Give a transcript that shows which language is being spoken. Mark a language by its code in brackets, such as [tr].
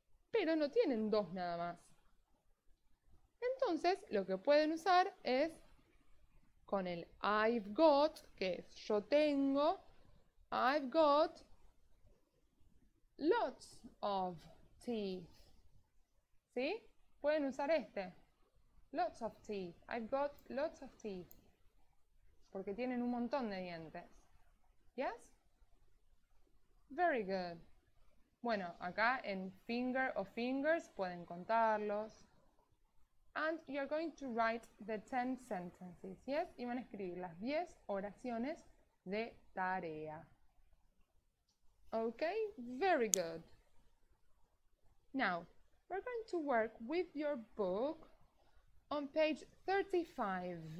[es] Pero no tienen dos nada más. Entonces, lo que pueden usar es con el I've got, que es yo tengo, [en] I've got lots of teeth. [es] ¿Sí? Pueden usar este. Lots of teeth. [en] I've got lots of teeth. [es] Porque tienen un montón de dientes. [en] ¿Yes? Very good. [es] Bueno, acá en finger o fingers pueden contarlos. [en] And you're going to write the 10 sentences, yes? [es] Y van a escribir las 10 oraciones de tarea. [en] Okay, very good. Now, we're going to work with your book on page 35.